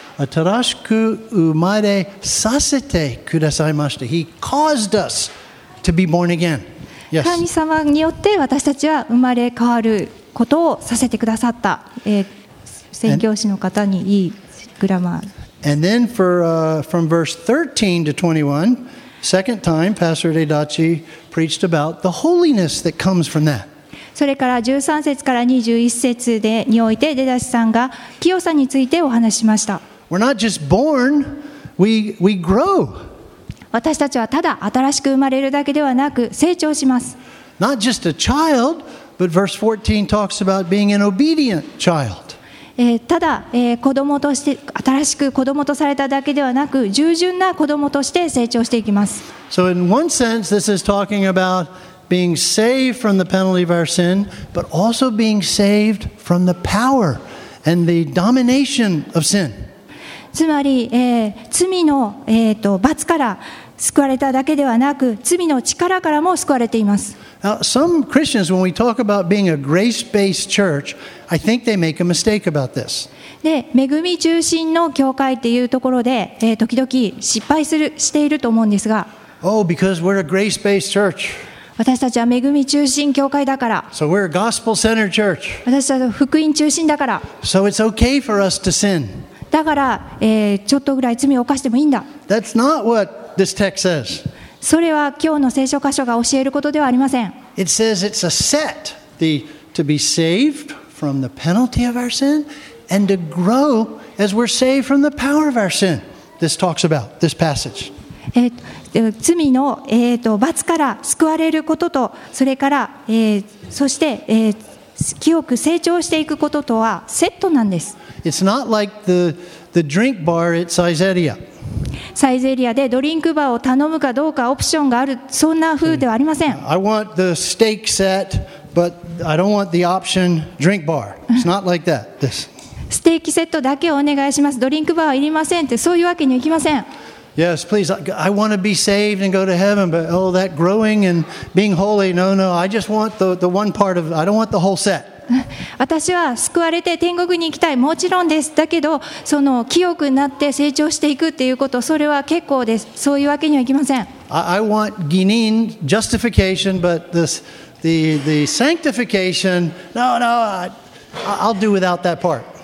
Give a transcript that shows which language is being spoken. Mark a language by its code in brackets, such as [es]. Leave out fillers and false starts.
[ja] 新しく生まれさせてくださいました。 [en] He caused us to be born again. Yes. [ja] 神様によって私たちは生まれ変わることをさせてくださった。宣教師の方にいいグラマー。 [en] And then from verse 13 to 21, second time, Pastor Dedachi preached about the holiness that comes from that. [ja] それから13節から21節でにおいて、デダチさんが清さについてお話しました。 [en] We're not just born, we grow. [ja] 私たちはただ新しく生まれるだけではなく、成長します。 [en] Not just a child, But verse 14 talks about being an obedient child. [ja] ただ、子供として新しく子供とされただけではなく、従順な子供として成長していきます。 [en] So in one sense, this is talking about being saved from the penalty of our sin, but also being saved from the power and the domination of sin. [ja] つまり、罪の、罰から救われただけではなく、罪の力からも救われています。 [en] Now, some Christians, when we talk about being a grace-based church, I think they make a mistake about this. [ja] で、恵み中心の教会っていうところで、時々失敗するしていると思うんですが。 [en] Oh, because we're a grace-based church. [ja] 私たちは恵み中心教会だから。 [en] So we're a gospel-centered church. [ja] 私たちは福音中心だから。 [en] So it's okay for us to sin. [ja] だから、ちょっとぐらい罪を犯してもいいんだ。 [en] That's not what this text says. [ja] それは今日の聖書箇所が教えることではありません。 [en] It says it's a set, the, to be saved from the penalty of our sin and to grow as we're saved from the power of our sin. This talks about this passage. [ja] 罪の、罰から救われることと、それから、そして、清く成長していくこととはセットなんです。 [en] It's not like the drink bar at Caesarea. [ja] サイゼリアでドリンクバーを頼むかどうかオプションがあるそんな風ではありません。 [en] I want the steak set, but I don't want the option drink bar. It's not like that. This. [ja] ステーキセットだけお願いします。ドリンクバーはいりませんってそういうわけにはいきません。 [en] Yes, please. I want to be saved and go to heaven, but oh, that growing and being holy. No, no. I just want the one part of. I don't want the whole set. [ja] 私は救われて天国に行きたい、もちろんです。だけど、その清くなって成長していくっていうこと、それは結構です。そういうわけにはいきません。 [en] I want Ginin justification, but the sanctification, no, I'll do without that part.